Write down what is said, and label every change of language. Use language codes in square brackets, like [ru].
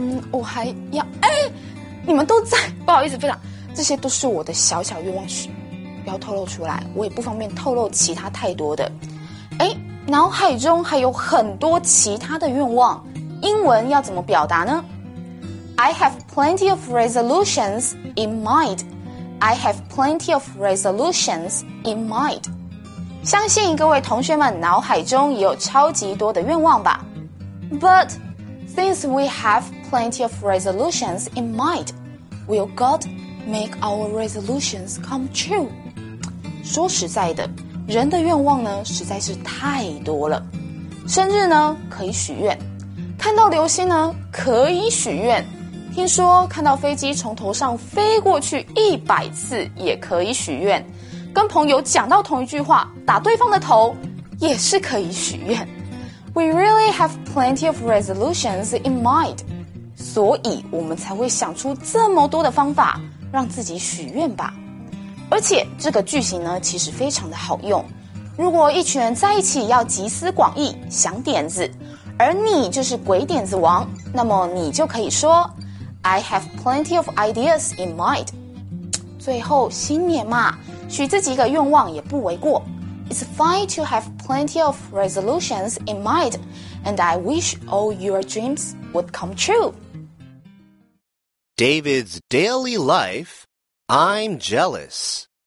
[zh] 我还要……哎，你们都在，不好意思，非常，这些都是我的小小愿望，不要透露出来，我也不方便透露其他太多的。哎，脑海中还有很多其他的愿望，英文要怎么表达呢 ？ [en] I have plenty of resolutions in mind. I have plenty of resolutions in mind. [zh] 相信各位同学们脑海中也有超级多的愿望吧。 [en] But since we have plenty of resolutions in mind, will God make our resolutions come true? [zh] 说实在的，人的愿望呢实在是太多了。生日呢可以许愿，看到流星呢可以许愿。听说看到飞机从头上飞过去100次也可以许愿，跟朋友讲到同一句话打对方的头也是可以许愿。 [en] We really have plenty of resolutions in mind， [zh] 所以我们才会想出这么多的方法让自己许愿吧。而且这个句型呢其实非常的好用，如果一群人在一起要集思广益想点子，而你就是鬼点子王，那么你就可以说 [en] I have plenty of ideas in mind. [zh] 最后新年嘛，许自己一个愿望也不为过。 [en] It's fine to have plenty of resolutions in mind, and I wish all your dreams would come true. David's Daily Life, I'm Jealous.